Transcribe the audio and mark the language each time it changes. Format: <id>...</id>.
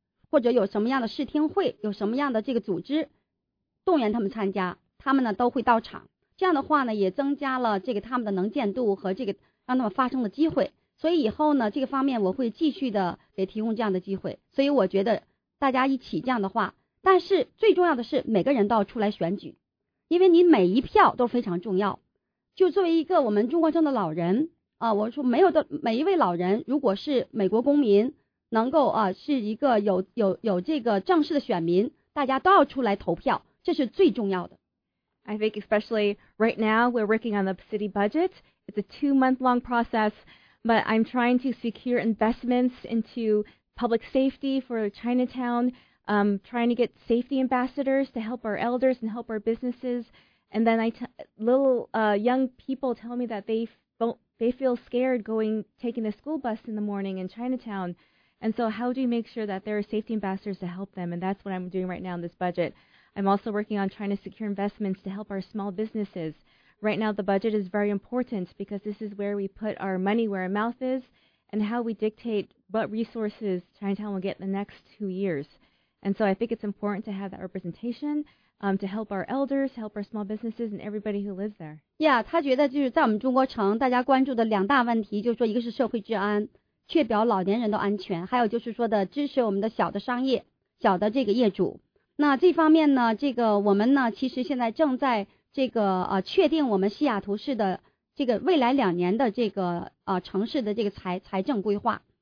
<zh>或者有什么样的视听会，有什么样的这个组织动员他们参加，他们呢都会到场，这样的话呢也增加了这个他们的能见度和这个让他们发声的机会，所以以后呢这个方面我会继续的给提供这样的机会，所以我觉得大家一起这样的话，但是最重要的是每个人都要出来选举，因为你每一票都非常重要，就作为一个我们中国城的老人我说没有的每一位老人如果是美国公民能够是一个有这个正式的选民，大家都要出来投票，这是最重要的。</zh> <en>I think especially right now we're working on the city budget. It's a 2-month-long process, but I'm trying to secure investments into public safety for Chinatown. Trying to get safety ambassadors to help our elders and help our businesses. And then young people tell me that they feel scared taking the school bus in the morning in Chinatown. And so how do you make sure that there are safety ambassadors to help them? And that's what I'm doing right now in this budget. I'm also working on trying to secure investments to help our small businesses. Right now the budget is very important because this is where we put our money where our mouth is and how we dictate what resources Chinatown will get in the next 2 years. And so I think it's important to have that representation to help our elders, help our small businesses, and everybody who lives there.</en> <zh>Yeah, 他觉得就是在我们中国城大家关注的两大问题，就是说一个是社会治安，确保老年人的安全，还有就是说的支持我们的小的商业，小的这个业主。那这方面呢，这个我们呢，其实现在正在这个确定我们西雅图市的这个未来两年的这个城市的这个财政规划。</zh>